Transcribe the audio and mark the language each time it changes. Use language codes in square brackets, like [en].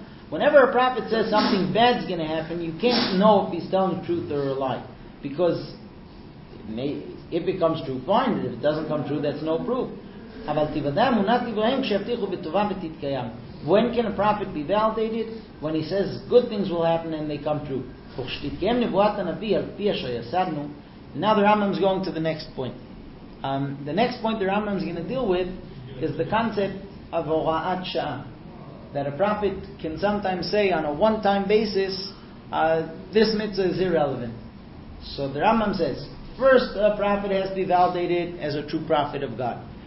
[en] Whenever a prophet says something bad is going to happen, you can't know if he's telling the truth or a lie. Because if it comes true, fine. If it doesn't come true, that's no proof. [he] אבל תיוודא אמונת דבריהם כשיבטיחו בטובה ותתקיים. [en] When can a prophet be validated? When he says good things will happen and they come true. [he] וכשתתקיים נבואת הנביא על פי אשר יסדנו. [en] Now the Rambam is going to the next point. The next point the Rambam is going to deal with is the concept of הוראת שעה. That a prophet can sometimes say on a one-time basis, this mitzvah is irrelevant. So the Rambam says, first a prophet has to be validated as a true prophet of God.